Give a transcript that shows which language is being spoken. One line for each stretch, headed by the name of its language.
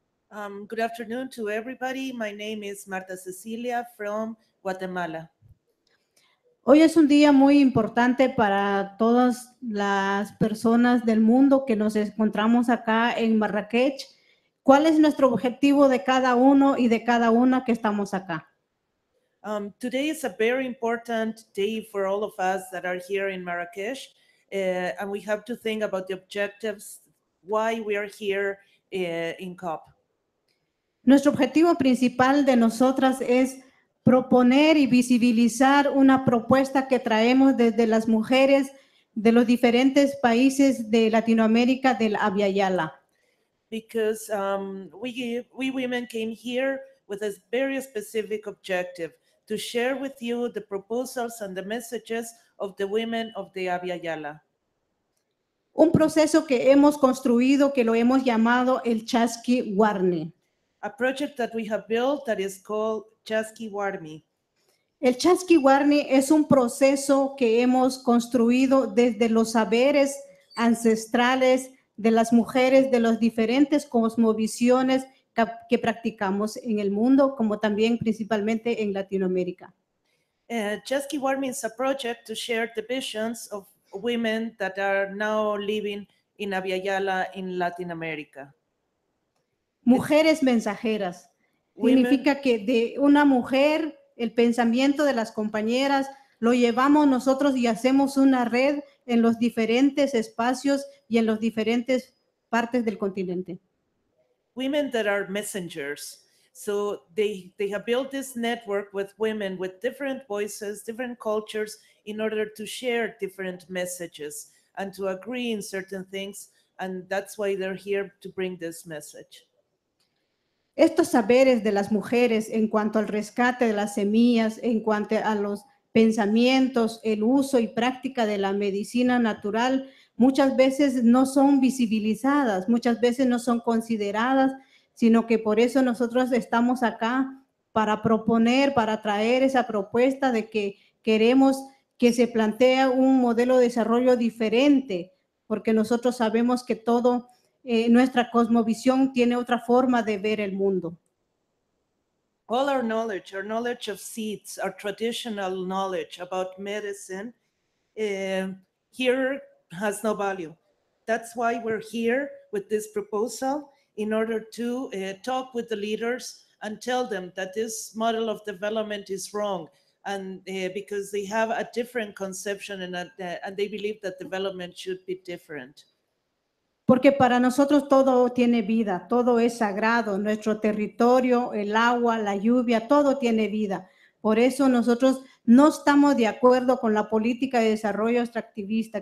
English: Good afternoon to everybody. My name is Marta Cecilia from Guatemala.
Spanish: Hoy es un día muy importante para todas las personas del mundo que nos encontramos acá en Marrakech. ¿Cuál es nuestro objetivo de cada uno y de cada una que estamos acá?
English: Today is a very important day for all of us that are here in Marrakech, and we have to think about the objectives, why we are here in COP.
Spanish: Nuestro objetivo principal de nosotras es proponer y visibilizar una propuesta que traemos desde las mujeres de los diferentes países de Latinoamérica del Abya Yala.
English: Because we women came here with a very specific objective to share with you the proposals and the messages of the women of the Abya Yala.
Spanish: Un proceso que hemos construido que lo hemos llamado el Chasqui Warni.
English: A project that we have built that is called Chasqui Warni.
Spanish: El Chasqui Warni es un proceso que hemos construido desde los saberes ancestrales de las mujeres de las diferentes cosmovisiones que practicamos en el mundo, como también principalmente en Latinoamérica.
English: Chasqui Warni is a project to share the visions of women that are now living in Abya Yala in Latin America.
Spanish: Mujeres mensajeras.
English: Women.
Spanish: Significa que de una mujer, el pensamiento de las compañeras, lo llevamos nosotros y hacemos una red en los diferentes espacios y en las diferentes partes del continente.
English: Women that are messengers. So they have built this network with women with different voices, different cultures, in order to share different messages and to agree in certain things. And that's why they're here to bring this message.
Spanish: Estos saberes de las mujeres en cuanto al rescate de las semillas, en cuanto a los pensamientos, el uso y práctica de la medicina natural, muchas veces no son visibilizadas, muchas veces no son consideradas, sino que por eso nosotros estamos acá para proponer, para traer esa propuesta de que queremos que se plantee un modelo de desarrollo diferente, porque nosotros sabemos que todo nuestra cosmovisión tiene otra forma de ver el mundo.
English: All our knowledge of seeds, our traditional knowledge about medicine, here has no value. That's why we're here with this proposal, in order to talk with the leaders and tell them that this model of development is wrong, and because they have a different conception and they believe that development should be different.
Spanish: Porque para nosotros todo tiene vida, todo es sagrado, nuestro territorio, el agua, la lluvia, todo tiene vida. Por eso nosotros no estamos de acuerdo con la política de desarrollo extractivista.